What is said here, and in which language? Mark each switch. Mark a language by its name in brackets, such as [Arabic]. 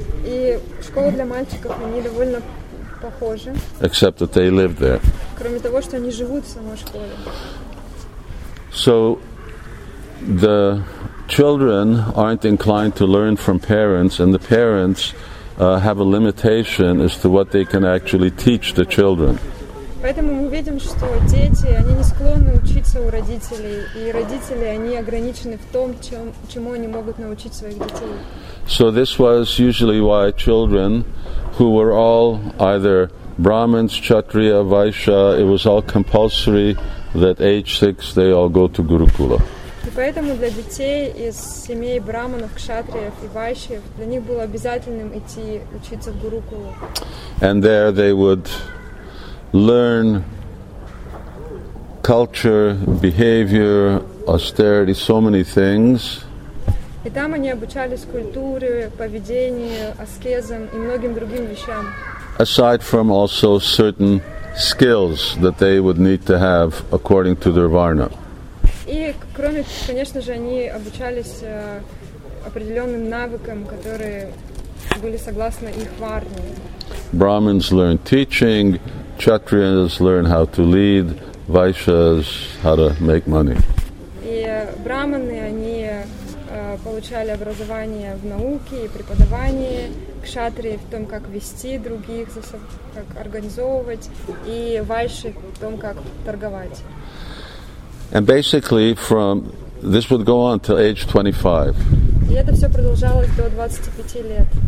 [Russian] И школа для мальчиков, они довольно похожи. [English] Except that they live there. [Russian] Кроме того, что они живут в самой школе. [English] So the children aren't inclined to learn from parents, and the parents have a limitation as to what they can actually teach the children. [Russian] Поэтому мы видим, что дети, они не склонны учиться у родителей, и родители, они ограничены в том, чему они могут научить своих детей. [English] So this was usually why children who were all either Brahmins, Kshatriya, Vaishya, it was all compulsory that age 6 they all go to Gurukula. [Russian] И поэтому для детей из семей Брахманов, Кшатриев и Вайшьев для них было обязательным идти учиться в Гурукулу. [English] And there they would learn culture, behavior, austerity, so many things. [Russian] И там они обучались культуре, поведению, аскезам и многим другим вещам. [English] Aside from also certain skills that they would need to have according to their varna. [Russian] И кроме, конечно же, они обучались определенным навыкам, которые были согласны их варне. [English] Brahmins learn teaching. Kshatriyas learn how to lead, Vaishyas how to make money. [Russian] И брахманы они получали образование в науке и преподавании, кшатрии в том, как вести других, как организовывать, и вайши в том, как торговать. [English] And basically from this would go on till age 25. [Russian] И это все продолжалось до 25 лет.